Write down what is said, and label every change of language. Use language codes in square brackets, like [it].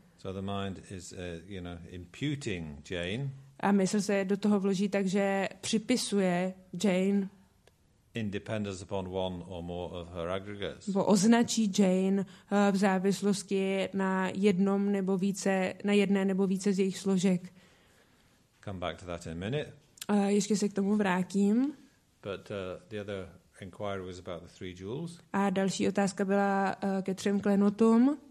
[en] So the mind is you know, imputing Jane. [cs] A mysl se do toho vloží, takže připisuje Jane. [en] in dependence upon one or more of her aggregates. [cs] Bo označí Jane v závislosti na jednom nebo více, na jedné nebo více z jejich složek. [en] Come back to that in a minute. [cs] Ještě se k tomu vrátím. [en] But the other inquiry was about the three jewels. [cs] A další otázka byla ke třem klenotům.